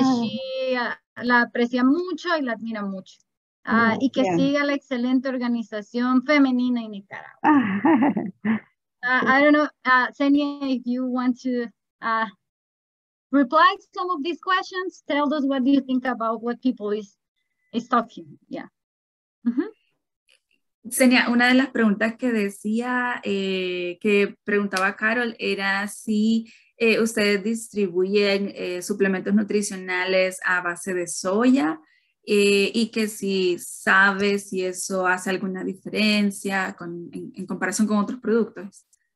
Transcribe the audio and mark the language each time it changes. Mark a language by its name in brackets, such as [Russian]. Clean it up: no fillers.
[Spanish] She la aprecia mucho y la admira mucho. Y que siga la excelente organización femenina en Nicaragua. [English] I don't know, Xenia, if you want to reply to some of these questions, tell us what do you think about what people is talking. Yeah. Mm-hmm. [Spanish] Xenia, una de las preguntas que decía, que preguntaba Carol, era si ustedes distribuyen suplementos nutricionales a base de soya. Y que si sabe si eso hace alguna diferencia en comparación con otros productos.